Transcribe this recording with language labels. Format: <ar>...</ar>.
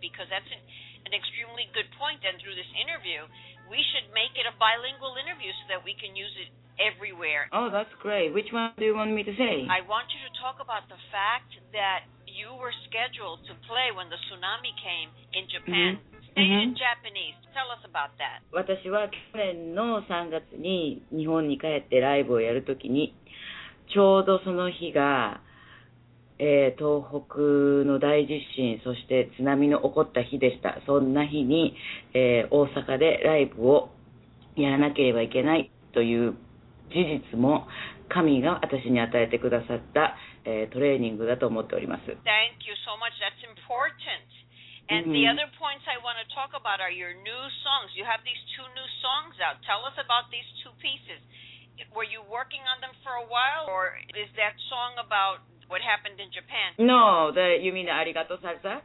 <en>Because that's an extremely good point. And through this interview, we should make it a bilingual interview so that we can use it everywhere. Oh, that's great. Which one do you want me to say? I want you to talk about the fact that you were scheduled to play when the tsunami came in Japan. Mm-hmm. Stay in Japanese. Tell us about that.</en> <ja>私は去年の3月に日本に帰ってライブをやるときに、ちょうどその日が東北の大地震、そして津波の起こった日でした。そんな日に、大阪でライブをやらなければいけないという事実も神が私に与えてくださった、トレーニングだと思っております。</ja> <en>Thank you so much. That's important. And the other points I want to talk about are your new songs. You have these two new songs out. Tell us about these two pieces. Were you working on them for a while? Or is that song about what happened in Japan? No, you mean Arigato Salsa?</en>